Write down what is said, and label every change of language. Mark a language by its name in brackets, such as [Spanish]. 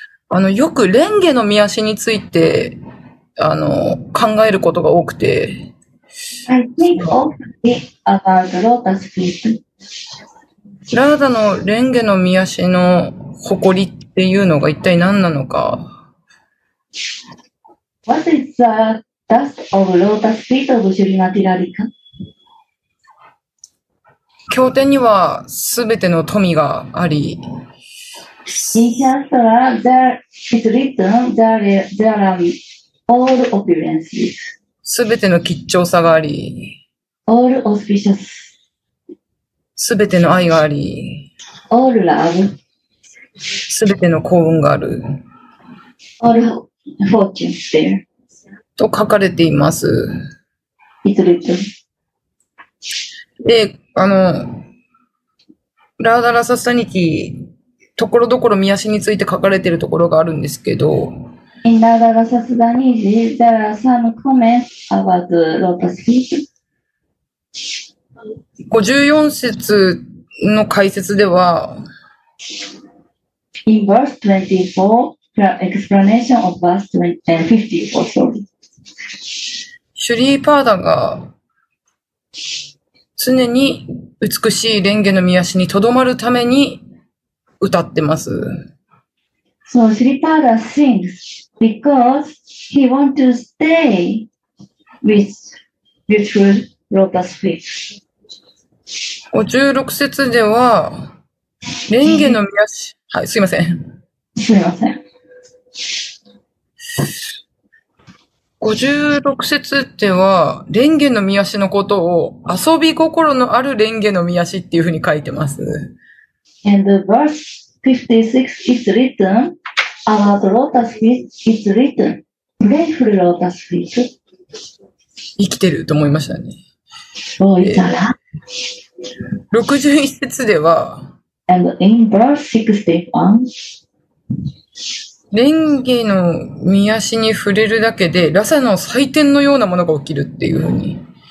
[Japanese] あのよく蓮華の御足についてあの考えることが多くて。 [English] I think often about lotus feet. [Japanese] Radha の蓮華の御足の誇りっていうのが一体何なのか。 [English] What is the dust of lotus feet of Srimati Radhika? [Japanese] 経典にはすべての富があり、 [English] In Shastra, there is written, there are all opulences. [Japanese] すべての吉兆さがあり、 [English] All auspicious. [Japanese] すべての愛があり、 [English] All love. [Japanese] すべての幸運がある、 [English] All fortune there. [Japanese] と書かれています。 [English] It's written. [Japanese] で、あの、ラーダラサスタニティ、ところどころ見足について書かれているところがあるんですけど、 [English] In ラーダラサスタニティ、there are some comments about lotus feet.54 [Japanese] 節の解説では、 [English] In verse 24, explanation of verse 54, sorry. [Japanese] シュリーパーダが、常に美しい蓮華の御足にとどまるために歌ってます。 [English] So, Sri Pada sings because he wants to stay with beautiful lotus feet. [Japanese] 56節では、蓮華の御足、はい、すいません。 56節では、蓮華の御足のことを遊び心のある蓮華の御足っていうふうに書いてます。 [English] And verse 56 is written, about lotus feet is written, playful lotus feet. [Japanese] 生きてると思いましたね。そういたら。 61節では、 [English] And in verse [Japanese] 61,蓮華の御足に触れるだけで、ラサの祭典のようなものが起きるっていうふうに。